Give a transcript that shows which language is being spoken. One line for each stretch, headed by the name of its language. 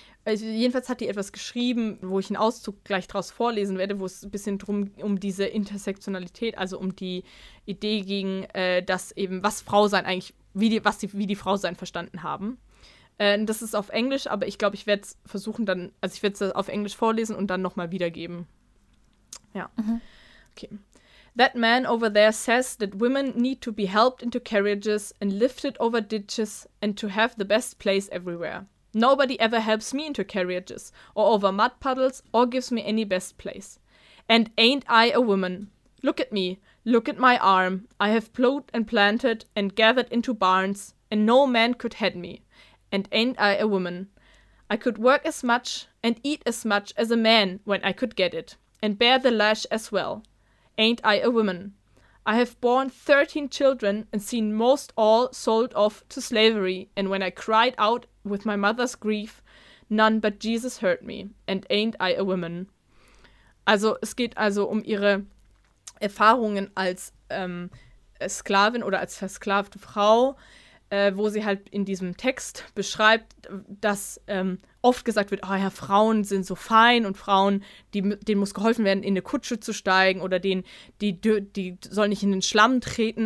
German: Also jedenfalls hat die etwas geschrieben, wo ich einen Auszug gleich draus vorlesen werde, wo es ein bisschen um diese Intersektionalität, also um die Idee ging, dass eben, was Frau sein eigentlich, wie die Frau sein verstanden haben. Das ist auf Englisch, aber ich glaube, ich werde es versuchen dann, also ich werde es auf Englisch vorlesen und dann nochmal wiedergeben. Ja. Mhm. Okay.
English: That man over there says that women need to be helped into carriages and lifted over ditches and to have the best place everywhere. Nobody ever helps me into carriages or over mud puddles or gives me any best place. And ain't I a woman? Look at me. Look at my arm. I have plowed and planted and gathered into barns and no man could head me. And ain't I a woman? I could work as much and eat as much as a man when I could get it and bear the lash as well. Ain't I a woman? I have borne 13 children and seen most all sold off to slavery, and when I cried out with my mother's grief, none but Jesus heard me. And ain't I a woman?
German: Also es geht also um ihre Erfahrungen als Sklavin oder als versklavte Frau, wo sie halt in diesem Text beschreibt, dass oft gesagt wird, oh ja, Frauen sind so fein und Frauen, denen muss geholfen werden, in eine Kutsche zu steigen oder die sollen nicht in den Schlamm treten.